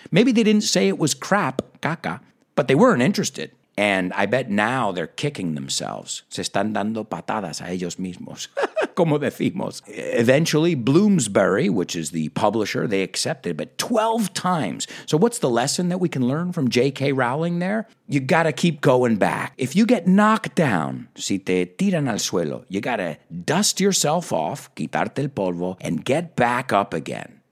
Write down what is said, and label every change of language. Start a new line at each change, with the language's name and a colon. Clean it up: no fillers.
English: Maybe they didn't say it was crap, caca, but they weren't interested. And I bet now they're kicking themselves.
Spanish: Se están dando patadas a ellos mismos, como decimos.
English: Eventually, Bloomsbury, which is the publisher, they accepted, but 12 times. So what's the lesson that we can learn from J.K. Rowling there? You got to keep going back. If you get knocked down,
Spanish: si te tiran al suelo,
English: you got to dust yourself off,
Spanish: quitarte el polvo,
English: and get back up again.